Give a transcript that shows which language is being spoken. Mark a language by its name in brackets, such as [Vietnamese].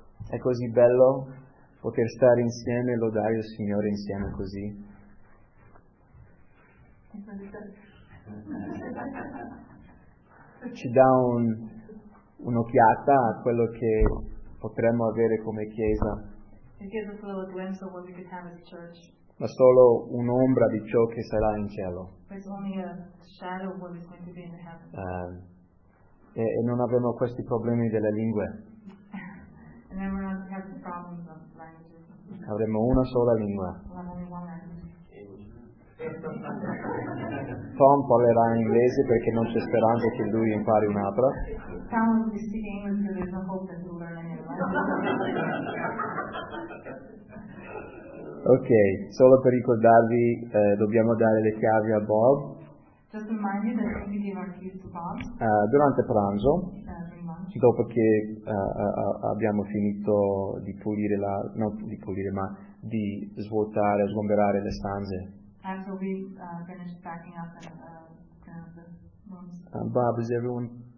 [Italian] È così bello poter stare insieme e lodare il Signore insieme così. Ci dà un'occhiata a quello che potremmo avere come chiesa. [English] It gives us a little glimpse of what we could have as a church. [Italian] Ma solo un'ombra di ciò che sarà in cielo. [English] It's only a shadow of what is going to be in the heavens. [Italian] E non abbiamo questi problemi delle lingue. [English] And then we're not going to have the problems of languages. [Italian] Avremo una sola lingua. Tom parlerà in inglese perché non c'è speranza che lui impari un'altra. [English] Tom will be speaking English, so there's no hope that he'll learn any other. [Italian] Ok, solo per ricordarvi, dobbiamo dare le chiavi a Bob. [English] Just remind you that we gave our keys to Bob. [Italian] Durante pranzo, dopo che abbiamo finito di pulire la, non di pulire, ma di svuotare, sgomberare le stanze. [English] After we finished backing up and